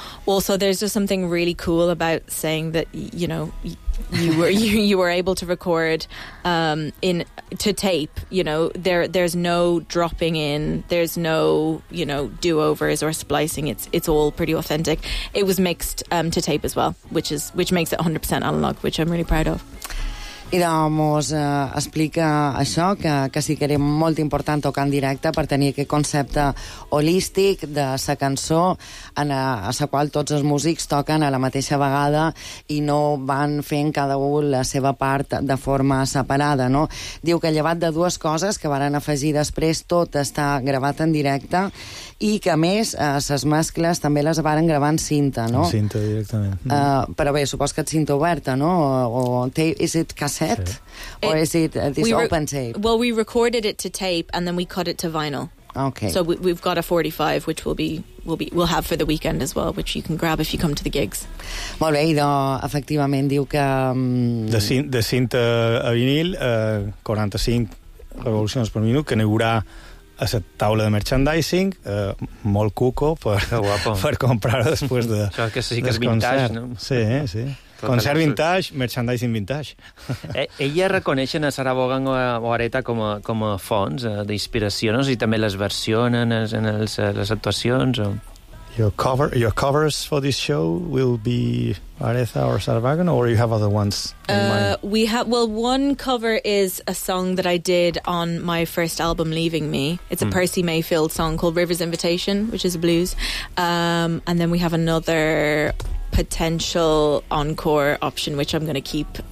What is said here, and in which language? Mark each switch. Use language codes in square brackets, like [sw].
[en] Also, there's just something really cool about saying that, you know, you were able to record to tape. You know, there's no dropping in, there's no, you know, do-overs or splicing. It's all pretty authentic. It was mixed to tape as well, which makes it 100% analog, which I'm really proud of. [ca] Idò, mos explica això, que sí que era molt important tocar en directe per tenir aquest concepte holístic de sa cançó en la qual tots els músics toquen a la mateixa vegada i no van fent cada un la seva part de forma separada, no? Diu que llevat de dues coses que varen afegir després, tot està gravat en directe i que, a més, ses mescles també les varen gravar en cinta, no? En cinta, directament. Però bé, supos que et cinta oberta, no? [en] Is it set? [ca] Sí. [en] Or is it this open tape? Well, we recorded it to tape and then we cut it to vinyl. Okay. So we've got a 45, which we'll have for the weekend as well, which you can grab if you come to the gigs. [ca] Molt bé, idò, efectivament, diu que... De cinta a vinil, 45 revolucions per minut, que n'hi haurà a la taula de merchandising, molt cuco per comprar-ho després de... Això que sí que és vintage, no? Sí, sí. Concert vintage, merchandising vintage. Ella reconeixen a Sarah Vaughan o Aretha com a fonts d'inspiració, no? I també les versionen en les actuacions. O... [en] Your covers for this show will be Aretha or Sarah Vaughan, or you have other ones in mind? One cover is a song that I did on my first album, Leaving Me. It's a Percy Mayfield song called River's Invitation, which is a blues. And then we have another... potential encore option, which I'm going to keep